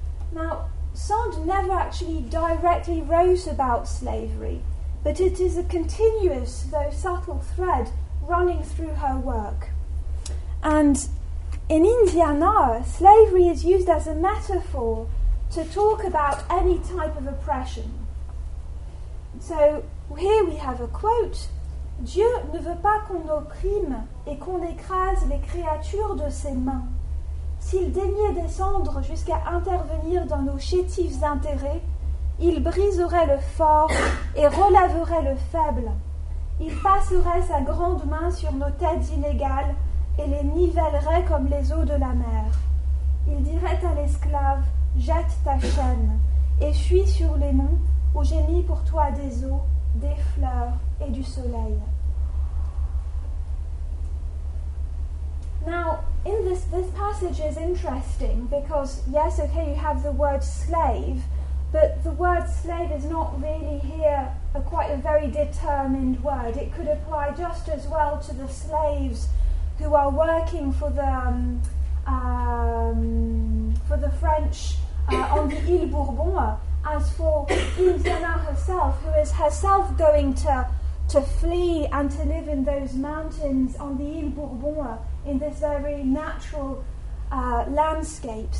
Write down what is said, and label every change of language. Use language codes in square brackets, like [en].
[en] Now, Sand never actually directly wrote about slavery, but it is a continuous, though subtle, thread running through her work. And in Indiana, slavery is used as a metaphor to talk about any type of oppression. So here we have a quote: [fr] Dieu ne veut pas qu'on opprime et qu'on écrase les créatures de ses mains. S'il daignait descendre jusqu'à intervenir dans nos chétifs intérêts, il briserait le fort et relèverait le faible. Il passerait sa grande main sur nos têtes inégales et les nivellerait comme les eaux de la mer. Il dirait à l'esclave, jette ta chaîne et fuis sur les monts où j'ai mis pour toi des eaux, des fleurs et du soleil. [en] Now, in this passage is interesting because, yes, okay, you have the word slave, but the word slave is not really here quite a very determined word. It could apply just as well to the slaves who are working for the French on the Île Bourbon, as for Indiana herself, who is herself going to flee and to live in those mountains on the Île Bourbon in this very natural landscape.